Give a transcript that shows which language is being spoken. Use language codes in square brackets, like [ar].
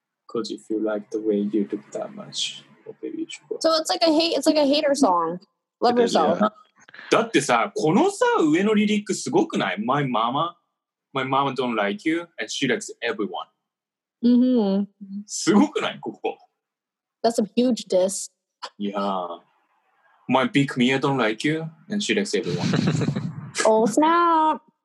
[en] Cause if you like the way you look that much, baby, you should go. So it's like a hater song. Love yourself. [ja] だってさ、このさ、上のリリックすごくない? [en] My mama don't like you, and she likes everyone. Mm-hmm. [ja] すごくない?ここ。 [en] That's a huge diss. Yeah. My big Mia don't like you, and she likes everyone. Oh, snap!